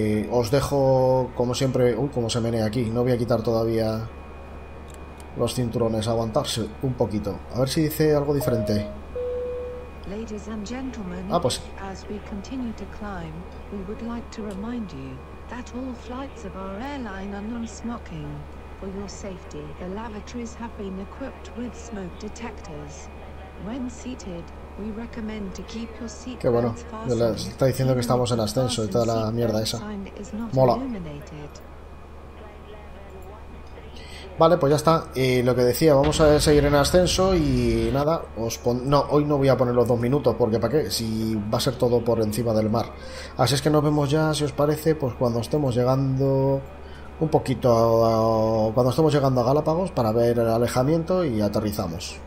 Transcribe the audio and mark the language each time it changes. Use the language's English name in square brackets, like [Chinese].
[Spanish] Os dejo, como siempre, uy, como se menea aquí, no voy a quitar todavía los cinturones, aguantarse un poquito. A ver si dice algo diferente. [English] Ladies and gentlemen, ah, [Spanish] pues. [English] As we continue to climb, we would like to remind you that all flights of our airline are non-smoking. For your safety, the lavatories have been equipped with smoke detectors. When seated, we recommend to keep your seat belts fastened. [Spanish] Qué bueno. Está diciendo que estamos en ascenso y toda la mierda esa. Mola. Vale, pues ya está. Lo que decía, vamos a seguir en ascenso y nada, no, hoy no voy a poner los dos minutos, porque ¿para qué? Si va a ser todo por encima del mar. Así es que nos vemos ya, si os parece, pues cuando estemos llegando un poquito, cuando estemos llegando a Galápagos para ver el alejamiento y aterrizamos.